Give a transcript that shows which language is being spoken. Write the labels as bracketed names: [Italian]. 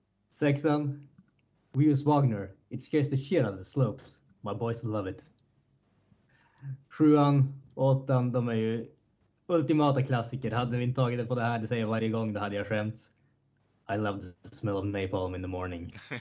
[Swedish] Sexan, [English] we use Wagner. It scares the shit out of the slopes. My boys love it. [Swedish] Sjuan, åttan, de är ju ultimata klassiker. Hade vi inte tagit det på det här, det säger varje gång, det hade jag skämt. [English] I love the smell of napalm in the morning.